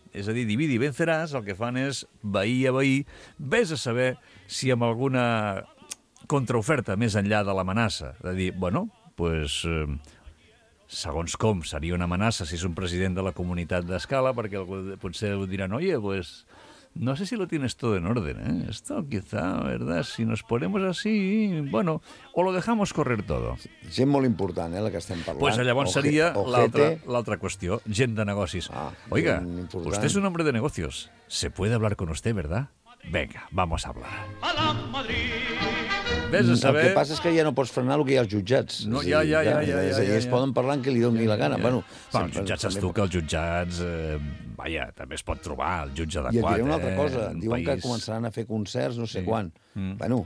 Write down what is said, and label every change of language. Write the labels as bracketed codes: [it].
[ca] És a dir, dividir i venceràs, el que fan és veí a veí, vés a saber si amb alguna contraoferta més enllà de l'amenaça. De dir, bueno, doncs... segons com, seria una amenaça si és un president de la comunitat d'Escala, perquè algú, potser algú diran, [es] oye, pues, no sé si lo tienes todo en orden, ¿eh? Esto quizá, ¿verdad? Si nos ponemos así, bueno, o lo dejamos correr todo. [ca] Gent molt important, la que estem parlant. Pues llavors seria l'altra qüestió, gent de negocis. Ah, [es] oiga, usted es un hombre de negocios, ¿se puede hablar con usted, verdad? Venga, vamos a hablar. A la Madrid. [ca] Ves a saber. El que passa és que ja no pots frenar el que hi ha als jutjats. No, ja. Es poden parlar en què li doni la gana. Bueno, però els jutjats, saps tu, que els jutjats... vaja, també es pot trobar el jutge adequat. I et diré una altra cosa. Diuen que començaran a fer concerts no sé quan. Mm. Bueno,